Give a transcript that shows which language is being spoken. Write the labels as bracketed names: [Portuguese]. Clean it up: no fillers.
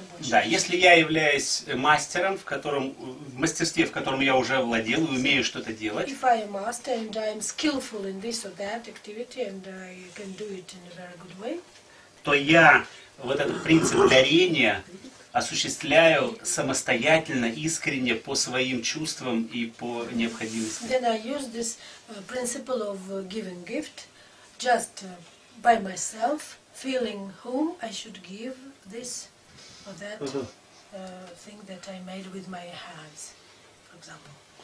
[Russian] Да, если я являюсь мастером, в мастерстве, в котором я уже владел, умею что-то делать. [English] If I am master and I am skillful in this or that activity and I can do it in a very good way. [Russian] То я вот этот принцип дарения осуществляю самостоятельно, искренне, по своим чувствам и по необходимости. [English] Then I use this principle of giving gift just by myself, feeling whom I should give this or that thing that I made with my hands, for example.